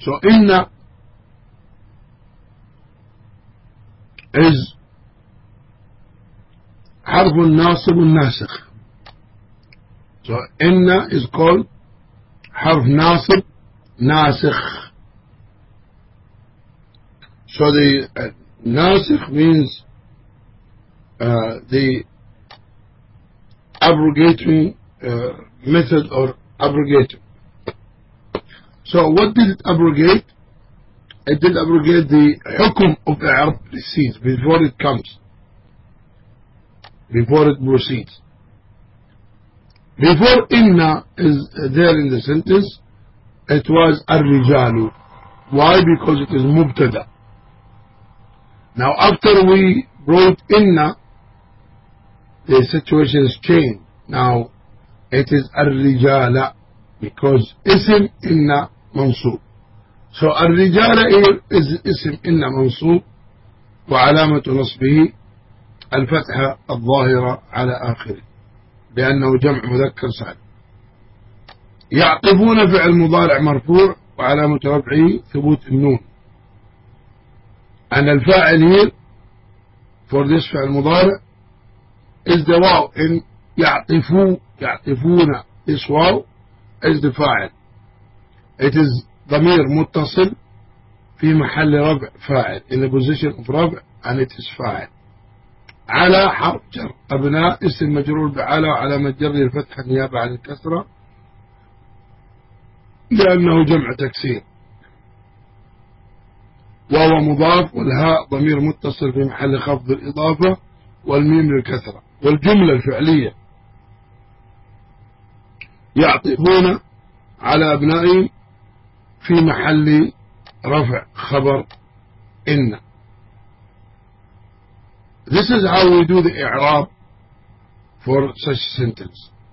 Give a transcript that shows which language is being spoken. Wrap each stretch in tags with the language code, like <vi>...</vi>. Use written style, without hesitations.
<en>So inna is</en> <ar>حرف ناصب ناسخ.</ar> <en>So inna is called</en> <ar>حرف ناصب ناسخ.</ar> <en>So the ناسخ means the abrogatory method or abrogator. So what did it abrogate? It did abrogate the hukum of the Arab disease before it comes, before it proceeds. Before inna is there in the sentence, it was ar-rijalu. Why? Because it is mubtada. Now after we brought inna, the situation is changed. Now it is ar-rijala because ism inna mansub.</en> <ar>So الرجال is اسم إن منصوب وعلامة نصبه الفتحة الظاهرة على آخره لأنه جمع مذكر سالم. يعطفون فعل مضارع مرفوع وعلامة رفعه ثبوت النون. أن الفاعل</ar> <en>here for this</en> <ar>فعل مضارع is the واو إن يعطفوا يعطفون this واو is the فاعل.</ar> <en>It is</en> <ar>ضمير متصل في محل رفع فاعل</ar> <en>in a position of رفع and it is فاعل.</en> <ar>على حرف جر أبناء اسم مجرور بعلى وعلامة جر الفتحة نيابة عن الكسرة لأنه جمع تكسير. وهو مضاف والهاء ضمير متصل في محل خفض الإضافة والميم للكسرة. والجملة الفعلية يعطفون على أبنائي في محل رفع خبر إن.</ar> <en>This is how we do the إعراب for such sentence.</en>